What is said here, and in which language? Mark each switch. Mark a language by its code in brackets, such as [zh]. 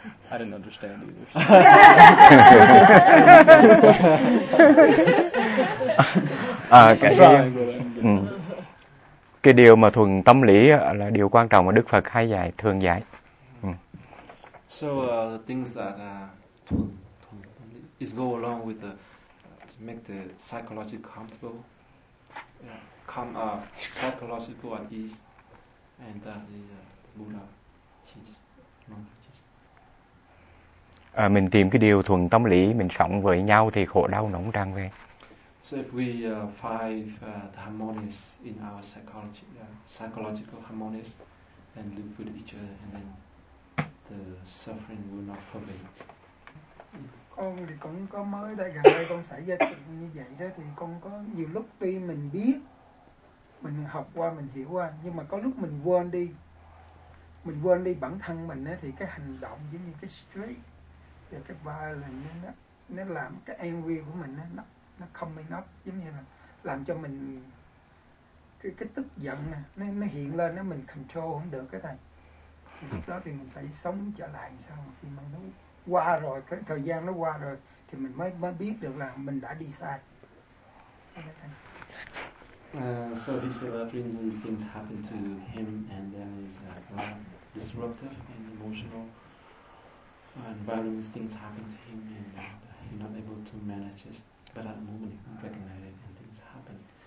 [en] I didn't understand either. [vi] Cái điều mà thuần tâm lý là điều quan trọng mà Đức Phật hay dạy, thường dạy. [en] So the things that [vi] thuần tâm lý [en] is go along with to make the psychological comfortable, psychological at ease, and that is the Buddha teaches. [vi] Mình tìm cái điều thuần tâm lý, mình sống với nhau thì khổ đau nó cũng tràn về. [en] So if we find the harmonies in our psychological harmonies and live with each other, and then the suffering will not pervade. [vi] Con thì cũng có mới đây gần đây con xảy ra chuyện như vậy đó, thì con có nhiều lúc tuy mình biết, mình học qua, mình hiểu qua, nhưng mà có lúc mình quên đi. Mình quên đi bản thân mình á, thì cái hành động giống như cái stress, và cái violence nó làm cái angry của mình á, nó [en] coming up, [vi] giống như là làm cho mình cái tức giận nó hiện lên, nó mình control không được cái này. Thì lúc đó thì mình phải sống trở lại sao, khi mà nó qua rồi, cái thời gian nó qua rồi thì mình mới biết được là mình đã đi sai. [en] So he said that when these things happen to him, and then he's disruptive and emotional, and various things happen to him, and he's not able to manage it, but at the moment he can recognize it, and things happen.